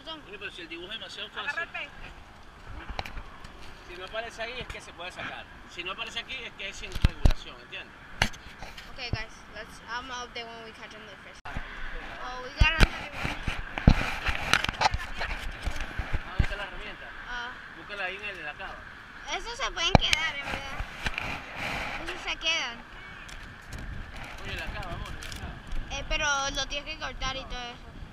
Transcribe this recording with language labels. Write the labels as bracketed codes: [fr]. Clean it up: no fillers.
[es] Pero si el dibujo es demasiado fácil. Agarra el pez. Si no aparece ahí es que se puede sacar. Si no aparece aquí es que es sin regulación, ¿entiendes? [en] Ok, guys, I'm up there when we catch him the first time. Oh, we got another one. [es] Ah, ¿dónde está la herramienta? Búscala ahí en el de la cava. Esos se pueden quedar, en verdad. Esos se quedan. Oye, la cava, amor, la cava. Pero lo tienes que cortar y todo eso.